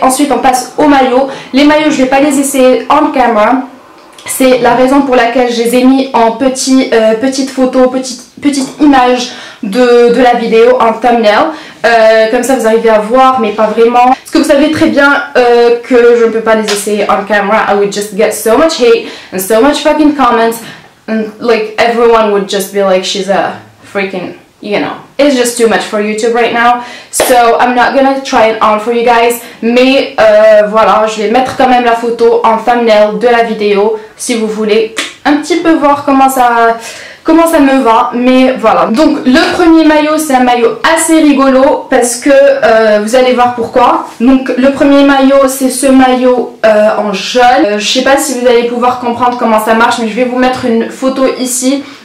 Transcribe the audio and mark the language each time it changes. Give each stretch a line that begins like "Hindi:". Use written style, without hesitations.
French: Ensuite on passe aux maillots. Les maillots je vais pas les essayer en caméra. C'est la raison pour laquelle je les ai mis en petite image de la vidéo, en thumbnail. Comme ça vous arrivez à voir mais pas vraiment. Parce que vous savez très bien que je ne peux pas les essayer
English: on camera. I would just get so much hate and so much fucking comments. And like everyone would just be like she's a freaking, you know. It's just too much for YouTube right now. So I'm not gonna try it on for you guys.
French: Mais voilà, je vais mettre quand même la photo en thumbnail de la vidéo. Si vous voulez un petit peu voir comment ça me va, mais voilà. Donc le premier maillot, c'est un maillot assez rigolo parce que vous allez voir pourquoi. Donc le premier maillot, c'est ce maillot en jaune. Je sais pas si vous allez pouvoir comprendre comment ça marche, mais je vais vous mettre une photo ici